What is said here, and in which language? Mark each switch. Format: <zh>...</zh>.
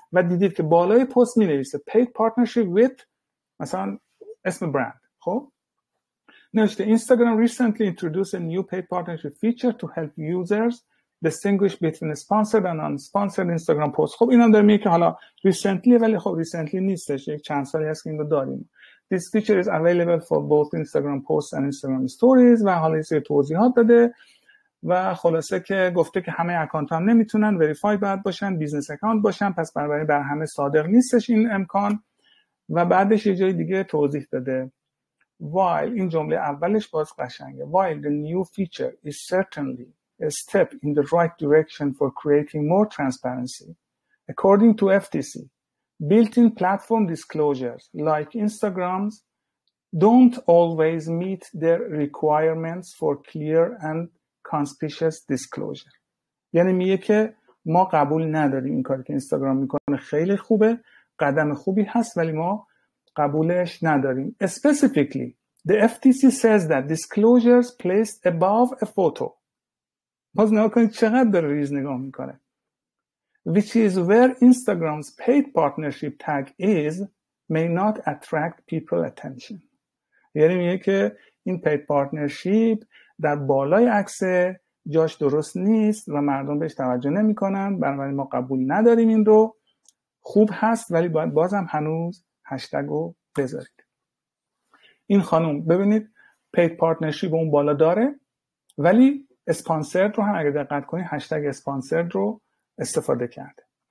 <fa>و دیدید که بالای پست مینویسه</fa> <en>paid partnership with</en> <fa>مثلا اسم برند، خب نوشته</fa> <en>Instagram recently introduced a new paid partnership feature to help users distinguish between sponsored and unsponsored Instagram posts.</en> <fa>خب اینا در میگه که حالا recently، ولی خب recently نیستش، یک چند سالی هست که اینو داریم.</fa> <en>This feature is available for both Instagram posts and Instagram stories.</en> <fa>و حالا یه توضیحات داده و خلاصه که گفته که همه اکانت هم نمیتونن وریفای باید باشن، بیزنس اکانت باشن، پس برای بر همه صادق نیستش این امکان. و بعدش یه جای دیگه توضیح داده</fa> <en>while</en> <fa>این جمله اولش باز قشنگه</fa> <en>while the new feature is certainly a step in the right direction for creating more transparency according to FTC built-in platform disclosures like Instagram's don't always meet their requirements for clear and conspicuous disclosure.</en> <fa>یعنی میگه که ما قبول نداریم این کاری که اینستاگرام میکنه، خیلی خوبه، قدم خوبی هست، ولی ما قبولش نداریم.</fa> <en>Specifically, the FTC says that disclosures placed above a photo.</en> <fa>باز نگاه کنید چقدر داره ریز نگاه میکنه.</fa> <en>Which is where Instagram's paid partnership tag is may not attract people attention.</en> <fa>یعنی میگه که این paid partnership در بالای عکس جاش درست نیست و مردم بهش توجه نمیکنن، بنابراین ما قبول نداریم این رو. خوب هست ولی باید بازم هنوز هشتگ رو بذارید. این خانم ببینید paid partnership اون بالا داره، ولی اسپانسرد رو هم اگه دقت کنید هشتگ اسپانسرد رو استفاده کرده.</fa>